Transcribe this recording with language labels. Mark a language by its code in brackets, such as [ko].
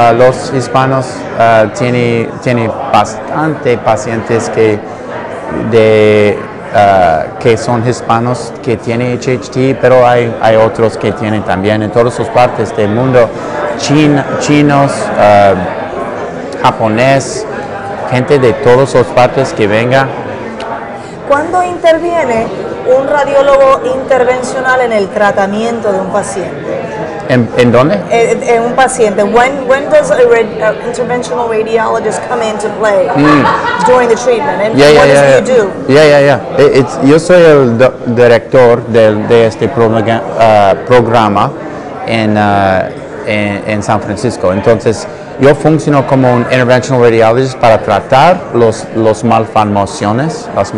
[es] Los hispanos tienen bastante pacientes que son hispanos que tienen HHT, pero hay otros que tienen también en todas las partes del mundo. Chinos, japonés, gente de todas las partes que venga. ¿Cuándo interviene un radiólogo intervencional en el tratamiento de un paciente? ¿En dónde? En un paciente. [en] When does an interventional radiologist come into play during the treatment? And what do you do? [es] Yo soy el director de este programa en San Francisco. Entonces, yo funciono como un interventional radiologist para tratar las malformaciones.